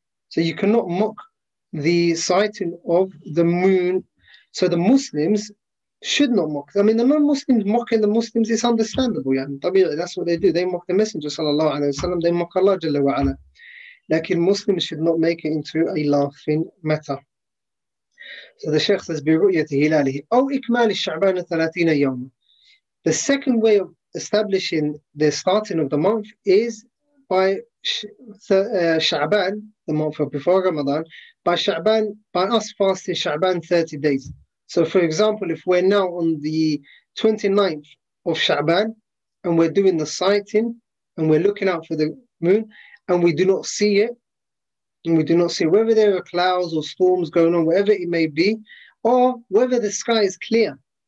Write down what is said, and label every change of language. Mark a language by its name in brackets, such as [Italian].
[English] So you cannot mock the sighting of the moon. So the Muslims should not mock. I mean, the non-Muslims mocking the Muslims is understandable. That's what they do. They mock the Messenger, sallallahu alayhi wa sallam. They mock Allah, jalla wa ala. Lakin Muslims should not make it into a laughing matter. So the Sheikh says, [Arabic] بِرُؤْيَةِ هِلَالِهِ أَوْ إِكْمَالِ الشَّعْبَانَ 30 يَوْمًا. [English] The second way of establishing the starting of the month is by Sha'ban, the month before Ramadan, by Sha'ban, by us fasting Sha'ban 30 days. So for example, if we're now on the 29th of Sha'ban and we're doing the sighting and we're looking out for the moon, and we do not see it, and we do not see whether there are clouds or storms going on, whatever it may be, or whether the sky is clear.